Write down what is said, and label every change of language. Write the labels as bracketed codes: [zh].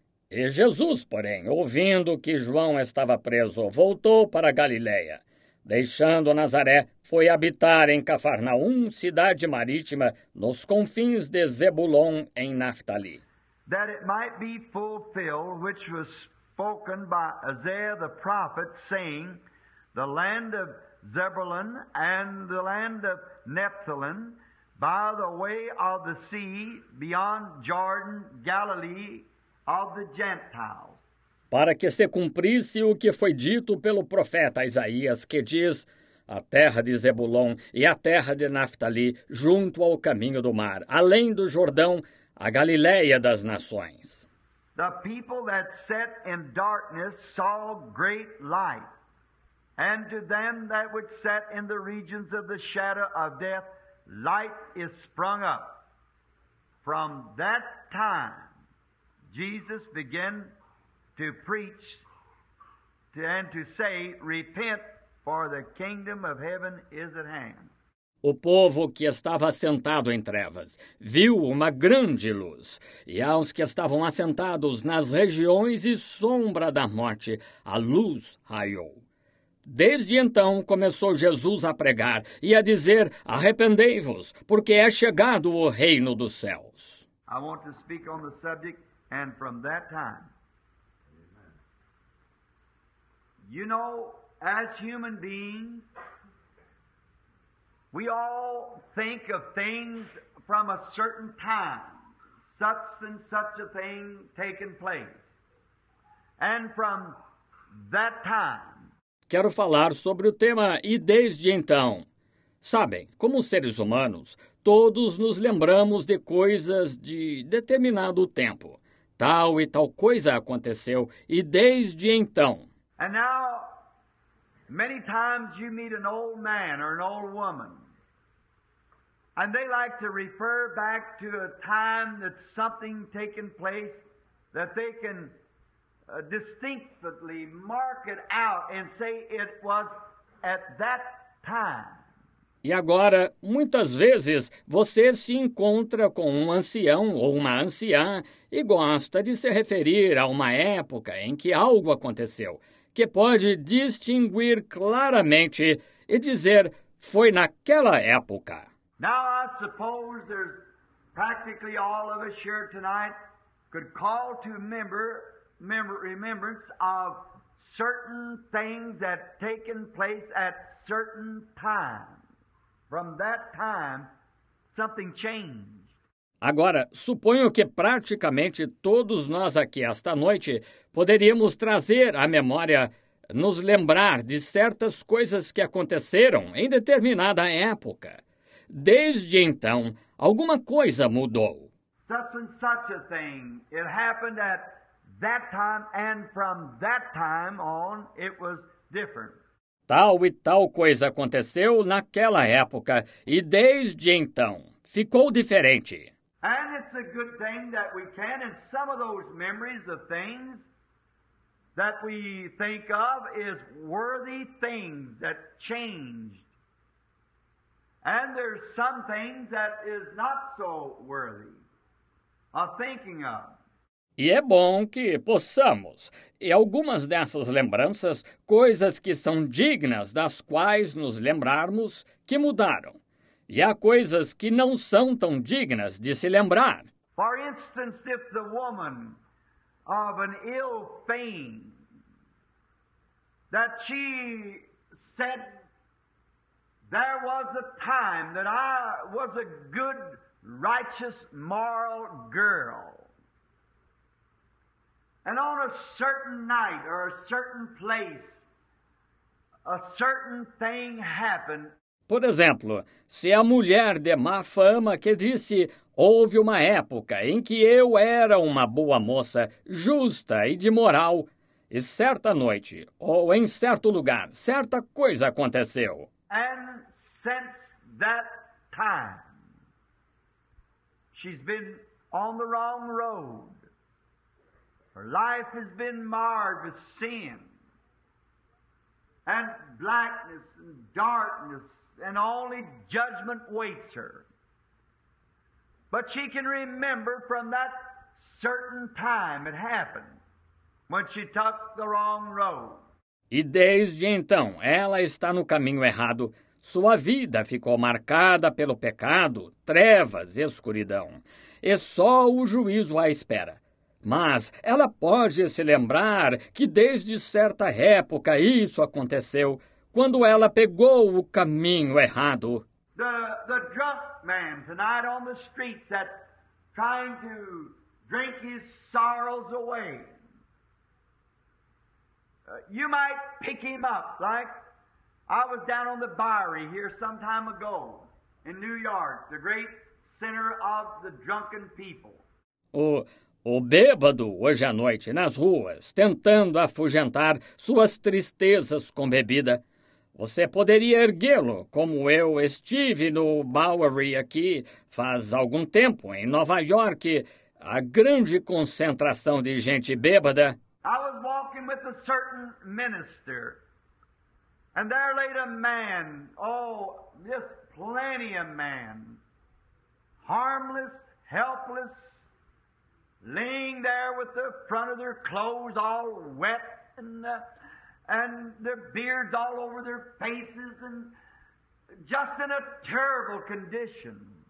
[pt] Jesus, porém, ouvindo que João estava preso, voltou para Galileia, deixando Nazaré, foi habitar em Cafarnaum, cidade marítima, nos confins de Zebulon em Naphtali. [en] That it might be fulfilled which was spoken by Isaiah the prophet, saying, the land of Zebulun and the land of Naphtali, by the way of the sea, beyond Jordan, Galilee of the Gentiles. [pt] Para que se cumprisse o que foi dito pelo profeta Isaías, que diz, a terra de Zebulon e a terra de Naphtali, junto ao caminho do mar, além do Jordão, a Galileia das nações. [en] The people that sat in darkness saw great light. And to them that which sat in the regions of the shadow of death, light is sprung up. From that time, Jesus began to preach and to say, repent, for the kingdom of heaven is at hand. [pt] O povo que estava assentado em trevas viu uma grande luz. E aos que estavam assentados nas regiões e sombra da morte, a luz raiou. Desde então começou Jesus a pregar e a dizer, arrependei-vos, porque é chegado o reino dos céus. [en] I want to speak on the subject, and from that time, you know, as human beings, we all think of things from a certain time, such and such a thing taking place. And from that time, [pt] quero falar sobre o tema, e desde então. Sabem, como seres humanos, todos nos lembramos de coisas de determinado tempo. Tal e tal coisa aconteceu, e desde então. [en] And now, many times you meet an old man or an old woman, and they like to refer back to a time that something taken place that they can distinctly mark it out and say it was at that time. [pt] E agora, muitas vezes, você se encontra com um ancião ou uma anciã e gosta de se referir a uma época em que algo aconteceu, que pode distinguir claramente e dizer, foi naquela época. [en] Now I suppose there's practically all of us here tonight could call to remembrance of certain things that taken place at certain times. From that time, something changed. [pt] Agora, suponho que praticamente todos nós aqui esta noite poderíamos trazer à memória, nos lembrar de certas coisas que aconteceram em determinada época. Desde então, alguma coisa mudou. [en] Such and such a thing. It happened at that time, and from that time on, it was different. [pt] Tal e tal coisa aconteceu naquela época, e desde então, ficou diferente. [en] And it's a good thing that we can, and some of those memories of things that we think of is worthy things that changed. And there's some things that is not so worthy of thinking of. [pt] E é bom que possamos, e algumas dessas lembranças, coisas que são dignas das quais nos lembrarmos, que mudaram. E há coisas que não são tão dignas de se lembrar. [en] For instance, if the woman of an ill fame, that she said, there was a time that I was a good, righteous, moral girl. And on a certain night or a certain place, a certain thing happened. [pt] Por exemplo, se a mulher de má fama que disse, houve uma época em que eu era uma boa moça, justa e de moral, e certa noite, ou em certo lugar, certa coisa aconteceu. [en] And since that time, she's been on the wrong road. Her life has been marred with sin and blackness and darkness, and only judgment waits her. But she can remember from that certain time it happened when she took the wrong road. [pt] E desde então, ela está no caminho errado. Sua vida ficou marcada pelo pecado, trevas e escuridão. E só o juízo a espera. Mas ela pode se lembrar que desde certa época isso aconteceu, quando ela pegou o caminho errado. [en] The drunk man tonight on the streets that trying to drink his sorrows away. You might pick him up, like I was down on the Bowery here some time ago in New York, the great center of the drunken people. [pt] O bêbado, hoje à noite, nas ruas, tentando afugentar suas tristezas com bebida. Você poderia erguê-lo, como eu estive no Bowery aqui faz algum tempo, em Nova York, a grande concentração de gente bêbada. [en] I was walking with a certain minister, and there laid a man, oh, just plenty of man, harmless, helpless, laying there with the front of their clothes all wet and their beards all over their faces and just in a terrible condition.